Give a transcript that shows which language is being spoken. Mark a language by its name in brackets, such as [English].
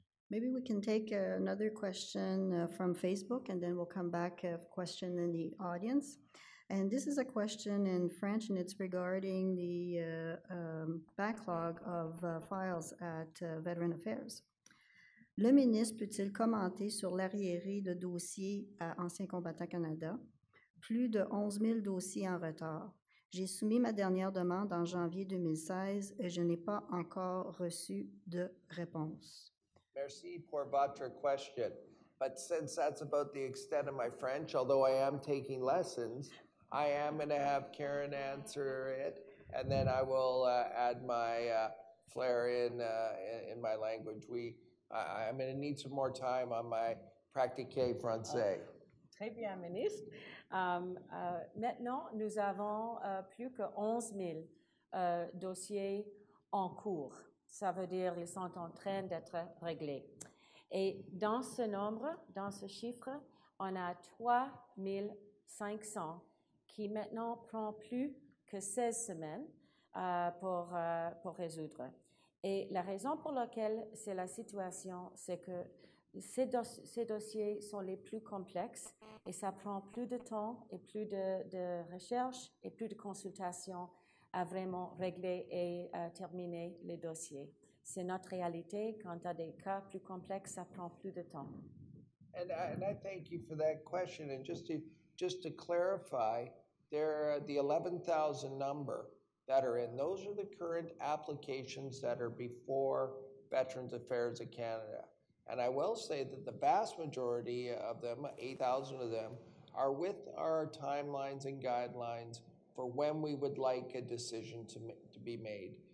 [English] Maybe we can take another question from Facebook, and then we'll come back to a question in the audience. And this is a question in French, and it's regarding the backlog of files at Veteran Affairs. [French] Le ministre peut-il commenter sur l'arriéré de dossiers à Anciens Combattants Canada? Plus de 11 000 dossiers en retard. J'ai soumis ma dernière demande en janvier 2016 et je n'ai pas encore reçu de réponse. Merci pour votre question. [English] But since that's about the extent of my French, although I am taking lessons, I am going to have Karen answer it, and then I will add my flair in my language. I'm going to need some more time on my [French] pratique français. Très bien, ministre. Maintenant, nous avons plus que 11 000 dossiers en cours. Ça veut dire qu'ils sont en train d'être réglés. Et dans ce nombre, dans ce chiffre, on a 3 500 qui maintenant prend plus que 16 semaines pour résoudre. Et la raison pour laquelle c'est la situation, c'est que ces dossiers sont les plus complexes et ça prend plus de temps et plus de recherche et plus de consultations à vraiment régler et terminer les dossiers. C'est notre réalité. Quand tu as des cas plus complexes, ça prend plus de temps. [English] And I thank you for that question. And just to clarify, there are the 11,000 number that are in. Those are the current applications that are before Veterans Affairs of Canada. And I will say that the vast majority of them, 8,000 of them, are with our timelines and guidelines for when we would like a decision to be made.